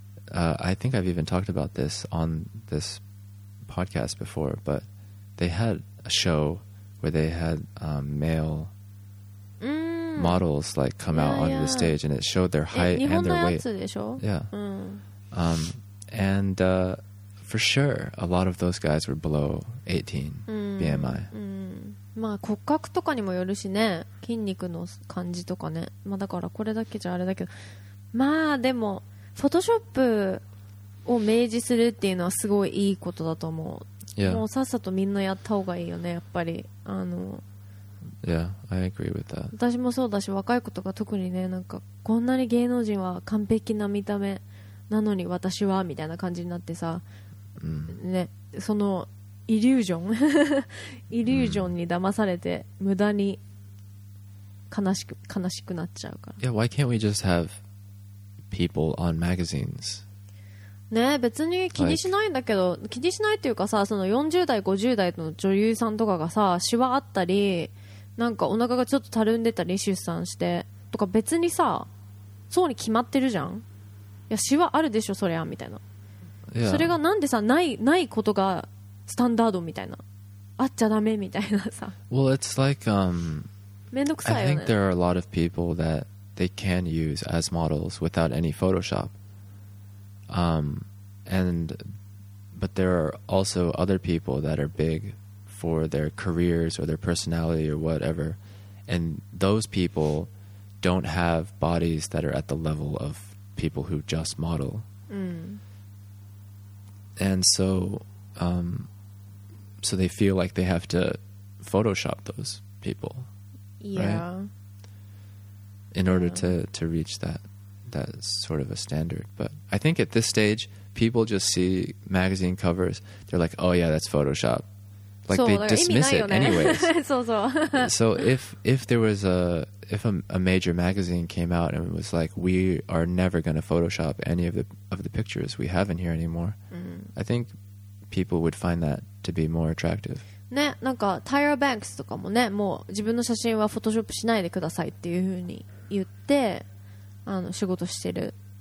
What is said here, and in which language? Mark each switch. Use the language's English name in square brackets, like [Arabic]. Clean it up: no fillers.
[English] I think I've even talked about this on this podcast before, but they had a show where they had male models like come out onto the stage, and it showed their height and their weight. Yeah. Mm. For sure, a lot of those guys were below 18 BMI. [Japanese] まあ骨格とかにもよるしね、筋肉の感じとかね。まあだからこれだけじゃあれだけど、まあでもフォトショップを明示するっていうのはすごいいいことだと思う。 [English] Yeah. [Japanese] もうさっさとみんなやった方がいいよね、やっぱり。 [English] Yeah, I agree with that. [Japanese] 私もそうだし、若い子とか特にね、なんかこんなに芸能人は完璧な見た目なのに私はみたいな感じになってさ、ね、そのイリュージョンイリュージョンに騙されて無駄に悲しくなっちゃうから。 [English] Yeah, why can't we just have people on magazines? [Japanese] ね、別に気にしないんだけど、気にしないっていうかさ、その40代50代の女優さんとかがさ、シワあったりなんかお腹がちょっとたるんでたり出産してとか、別にさ、そうに決まってるじゃん。いや、シワあるでしょそりゃみたいな、 [English] yeah. [Japanese] それがなんでさ、ないことがスタンダードみたいな、あっちゃダメみたいなさ。 [English] Well, it's like [Japanese] めんどくさいよね。 [English] I think there are a lot of people that they can use as models without any Photoshop. But there are also other people that are big for their careers or their personality or whatever, and those people don't have bodies that are at the level of people who just model. And so so they feel like they have to Photoshop those people. Yeah. Right? In order to reach that sort of a standard. But I think at this stage people just see magazine covers, they're like, oh yeah, that's Photoshop. Like, they dismiss it anyways. [Japanese] そうそう。 [English] So if there was a major magazine came out and was like, we are never going to Photoshop any of the pictures we have in here anymore, I think people would find that to be more attractive. [Japanese] ね、なんかタイラ・バンクスとかもね、もう自分の写真はフォトショップしないでくださいっていう風に言って、仕事してる